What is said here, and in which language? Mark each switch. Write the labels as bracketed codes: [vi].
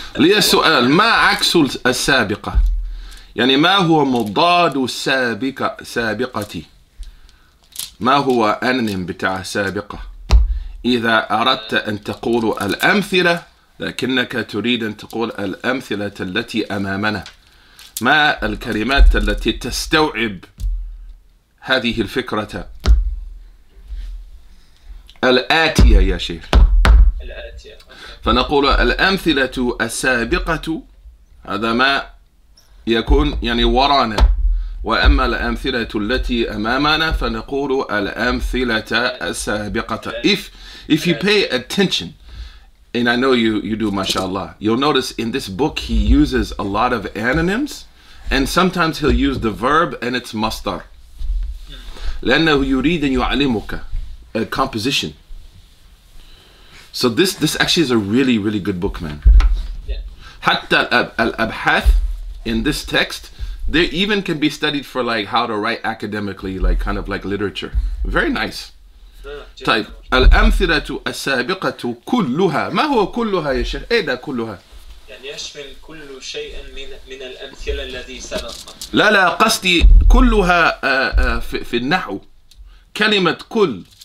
[ar] لي السؤال، ما عكس السابقة؟ يعني ما هو مضاد السابقة؟ سابقتي، ما هو أنم بتاع سابقة؟ إذا أردت أن تقول الأمثلة لكنك تريد أن تقول الأمثلة التي أمامنا، ما الكلمات التي تستوعب هذه الفكرة؟ الآتية يا شيخ. الآتية. فنقول الأمثلة السابقة، هذا ما يكون يعني ورانا، وأما الأمثلة التي أمامنا فنقول الأمثلة السابقة. [en] If you pay attention, and I know you do, mashallah, you'll notice in this book he uses a lot of anonyms, and sometimes he'll use the verb and its مصدر. [ar] لأنه يريد أن يعلمك [en] a composition. So this actually is a really, really good book, man. Yeah. [ar] حتى الأبحاث [en] in this text, they even can be studied for like how to write academically, like kind of like literature. Very nice. [ar] طيب الأمثلة السابقة كلها، ما هو كلها يا شيخ؟ أين كلها؟ يشمل كل شيء من الأمثلة الذي سبق. لا قصدي كلها في النحو، كلمة كل.